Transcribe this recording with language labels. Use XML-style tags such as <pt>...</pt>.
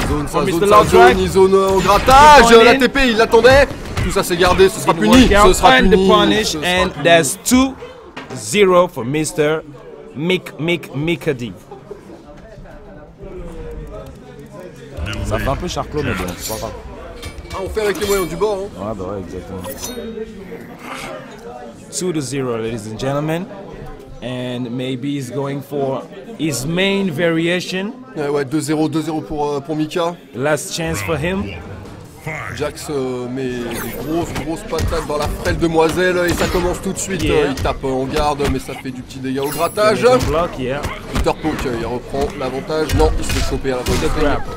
<fr>Sa zone, au grattage. La TP, il l'attendait. Tout ça, c'est gardé. Ce sera puni.</fr> <en>And the punish. And that's 2-0 for Mr. Mikadi.</en> <fr>Ça fait un peu charclos, mais bon, c'est pas grave. Ah, on fait avec les moyens du bord. Hein. Ouais, bah ouais, exactement.</fr> <en>2-0, ladies and gentlemen, and maybe he's going for his main variation.</en> <fr>Ouais, ouais, 2-0 pour Mika.</fr> <en>Last chance for him.</en> <fr>Jax met des grosses patates dans la frêle demoiselle et ça commence tout de suite.</fr> <en>Yeah.</en> <fr>Il tape en garde, mais ça fait du petit dégât au grattage.</fr> <en>Block, yeah.</en> <fr>Peter Pook, il reprend l'avantage. Non, il se fait choper à la bonne</fr>